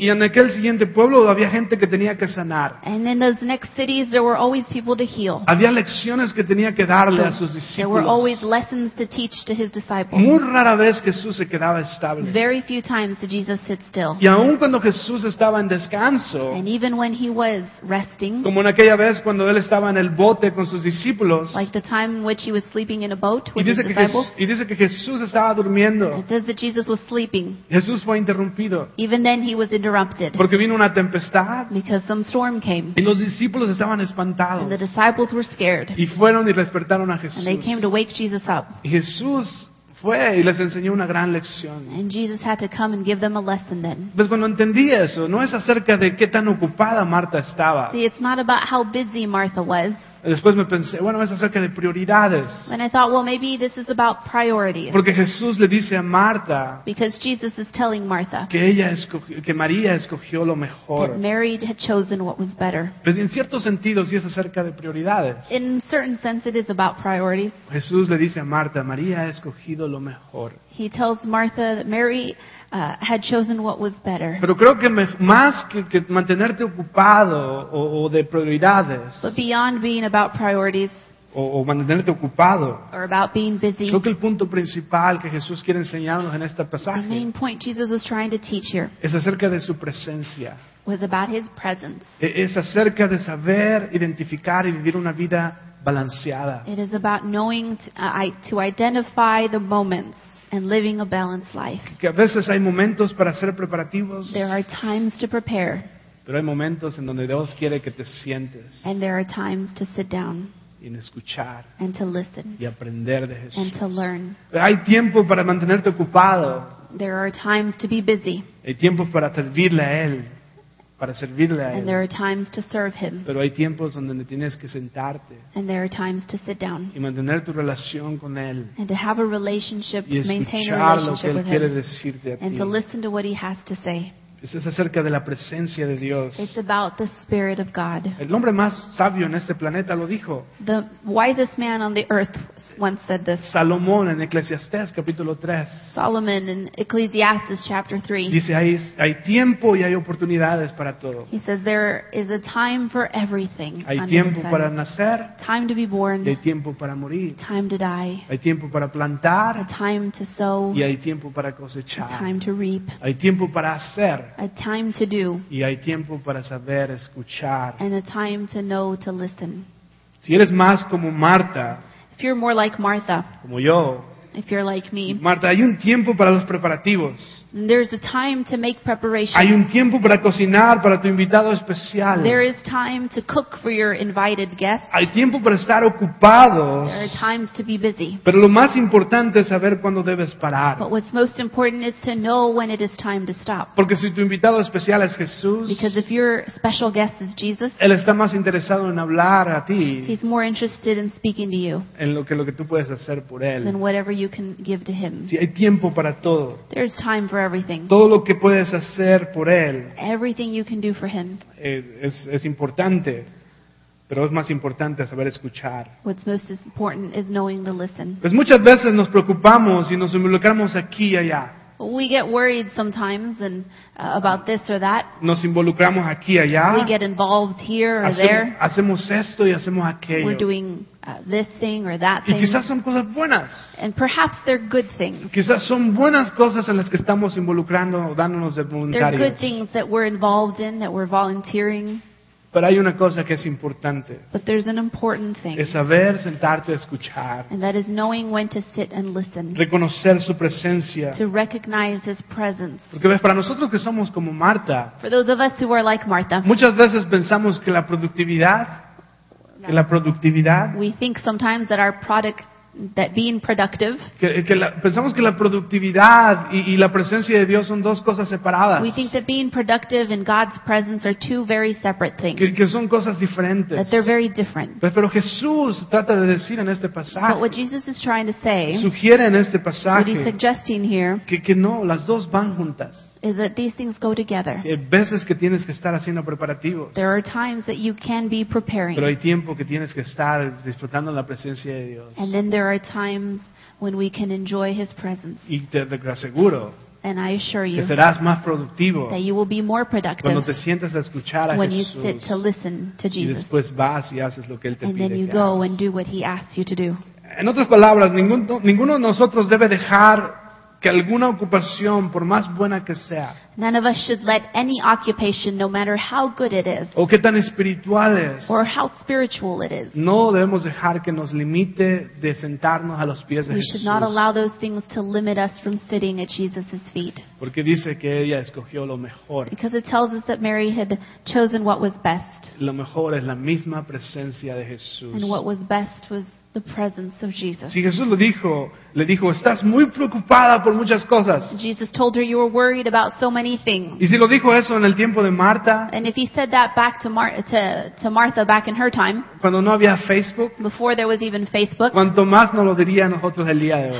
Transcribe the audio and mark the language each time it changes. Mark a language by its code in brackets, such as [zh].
[es] Y en aquel siguiente pueblo había gente que tenía que sanar. [en] And in those next cities there were always people to heal. [es] Había lecciones que tenía que darle a sus discípulos. [en] There were always lessons to teach to His disciples. [es] Muy rara vez Jesús se quedaba estable. [en] Very few times did Jesus sit still. [es] Y aun cuando Jesús estaba en descanso, [en] and even when He was resting, [es] como en aquella vez cuando Él estaba en el bote con sus discípulos, [en] like the time in which He was sleeping in a boat with His disciples, [es] y dice que Jesús estaba durmiendo, [en] it says that Jesus was sleeping, [es] Jesús fue interrumpido, [en] even then He was interrupted, [es] porque vino una tempestad, [en] because some storm came, [es] y los discípulos estaban espantados, [en] and the disciples were scared, [es] y fueron y despertaron a Jesús, [en] and they came to wake Jesus up, [es] y Jesús fue y les enseñó una gran lección. [en] And Jesus had to come and give them a lesson then. [es] Pues cuando entendí eso, no es acerca de qué tan ocupada Marta estaba. [en] See, it's not about how busy Martha was. [es] Después me pensé, bueno, es acerca de prioridades. [en] And I thought, well, maybe this is about priorities. [es] Porque Jesús le dice a Marta, [en] because Jesus is telling Martha, [es] que ella escogió, que María escogió lo mejor. [en] That Mary had chosen what was better. [es] Pues en cierto sentido sí es acerca de prioridades. [en] In certain sense it is about priorities. [es] Jesús le dice a Marta, María ha escogido lo mejor. [en] He tells Martha that Mary had chosen what was better. [es] Pero creo que más que mantenerte ocupado o de prioridades. [en] But beyond being about priorities. [es] O mantenerte ocupado. [en] Or about being busy. [es] Creo que el punto principal que Jesús quiere enseñarnos en este pasaje. [en] The main point Jesus was trying to teach here. [es] Es acerca de su presencia. [en] Was about His presence. [es] Es acerca de saber identificar y vivir una vida balanceada. [en] It is about knowing to identify the moments. And living a balanced life. [es] Que a veces hay momentos para hacer preparativos. [en] There are times to prepare. [es] Pero hay momentos en donde Dios quiere que te sientes. [en] And there are times to sit down. [es] Y escuchar. [en] And to listen. [es] Y aprender de Jesús. [en] And to learn. [es] Hay tiempo para mantenerte ocupado. [en] There are times to be busy. [es] Hay tiempo para servirle a Él. Para servirle a [en] and [es] Él. [en] There are times to serve Him. [es] Pero hay tiempos donde tienes que sentarte. [en] And there are times to sit down. [es] Y mantener tu relación con Él. [en] And to have a relationship, [es] y escuchar [en] maintain a relationship [es] lo que Él [en] with [es] quiere [en] Him. [es] Decirte a [en] and [es] ti. [en] To listen to what He has to say. [es] Es acerca de la presencia de Dios. [en] It's about the Spirit of God. [es] El hombre más sabio en este planeta lo dijo. [en] The wisest man on the earth once said this. [es] Salomón en Eclesiastés capítulo 3. [en] Solomon in Ecclesiastes chapter 3. [es] Dice hay tiempo y hay oportunidades para todo. [en] He says there is a time for everything. [es] Hay tiempo para nacer. [en] Time to be born. [es] Hay tiempo para morir. [en] Time to die. [es] Hay tiempo para plantar. [en] A time to sow. [es] Y hay tiempo para cosechar. [en] Time to reap. [es] Hay tiempo para hacer. [en] A time to do. [es] Y hay tiempo para saber escuchar. [en] And a time to know to listen. [es] Si eres más como Marta, [en] if you're more like Martha, [es] como yo, [en] if you're like me, [es] Marta, hay un tiempo para los preparativos. [en] There's a time to make preparations. [es] Hay un tiempo para cocinar para tu invitado especial. [en] There is time to cook for your invited guest. [es] Hay tiempo para estar ocupados. [en] There are times to be busy. [es] Pero lo más importante es saber cuándo debes parar. [en] But what's most important is to know when it is time to stop. [es] Porque si tu invitado especial es Jesús, [en] because if your special guest is Jesus, [es] él está más interesado en hablar a ti. [en] He's more interested in speaking to you. [es] En lo que tú puedes hacer por él. [en] Than whatever you can give to him. [es] Sí, hay tiempo para todo. [en] There's time for everything. [es] Todo lo que puedes hacer por él. [en] Everything you can do for him. [es] Es importante, pero es más importante saber escuchar. [en] What's most important is knowing to listen. [es] Pues muchas veces nos preocupamos y nos involucramos aquí y allá. [en] We get worried sometimes and about this or that. [es] Nos involucramos aquí y allá. [en] We get involved here or there. [es] Hacemos esto y hacemos aquello. [en] We're doing this thing or that thing. [es] Y quizás son cosas buenas. [en] And perhaps they're good things. [es] Quizás son buenas cosas en las que estamos involucrando o dándonos de voluntarios. [en] They're good things that we're involved in, that we're volunteering. [es] Pero hay una cosa que es importante. [en] But there's an important thing. [es] Es saber sentarte a escuchar. [en] And that is knowing when to sit and listen. [es] Reconocer su presencia. [en] To recognize his presence. [es] Porque ves, para nosotros que somos como Marta. [en] For those of us who are like Martha. [es] Muchas veces pensamos que la productividad. Que la productividad. [en] We think sometimes that our product. That being productive. [es] Pensamos que la productividad y la presencia de Dios son dos cosas separadas. [en] We think that being productive and God's presence are two very separate things. [es] Que son cosas diferentes. [en] That they're very different. [es] Pero Jesús trata de decir en este pasaje. [en] But what Jesus is trying to say. [es] Sugiere en este pasaje. [en] What he's suggesting here. [es] Que no, las dos van juntas. [en] Is that these things go together. [es] Hay veces que tienes que estar haciendo preparativos. [en] There are times that you can be preparing. [es] Pero hay tiempo que tienes que estar disfrutando la presencia de Dios. [en] And then there are times when we can enjoy his presence. [es] Y te aseguro. [en] And I assure you. [es] Que serás más productivo. [en] That you will be more productive. [es] Cuando te sientas a escuchar a [en] when [es] Jesús. [en] When you sit to listen to Jesus. [es] Y después vas y haces lo que él te [en] and [es] pide. [en] Then you go and do what he asks you to do. [es] En otras palabras, ninguno de nosotros debe dejar que alguna ocupación, por más buena que sea, [en] none of us should let any occupation, no matter how good it is, [es] o qué tan espiritual es, [en] or how spiritual it is, [es] no debemos dejar que nos limite de sentarnos a los pies de Jesús. [en] We should not allow those things to limit us from sitting at Jesus' feet. [es] Porque dice que ella escogió lo mejor. [en] Because it tells us that Mary had chosen what was best. [es] Lo mejor es la misma presencia de Jesús. [en] And what was best was the presence of Jesus. [es] Si Jesús lo dijo, le dijo, estás muy preocupada por muchas cosas. [en] Jesus told her you were worried about so many things. [es] Y si lo dijo eso en el tiempo de Marta. [en] And if he said that back to to Martha back in her time. [es] Cuando no había Facebook. [en] Before there was even Facebook. [es] Cuanto más no lo diría a nosotros el día de hoy.